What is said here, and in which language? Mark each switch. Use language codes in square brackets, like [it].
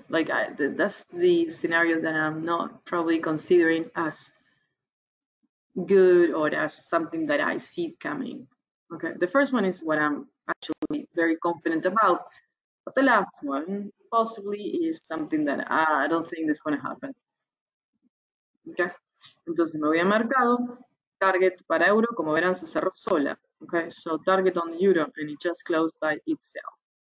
[en] That's the scenario that I'm not probably considering as good or as something that I see coming. Okay, the first one is what I'm actually very confident about, but the last one possibly is something that I don't think is going to happen. [es] Okay, entonces me voy a mercado, target para euro, como verán, se cerró sola. [en] Okay, so target on the euro and it just closed by itself.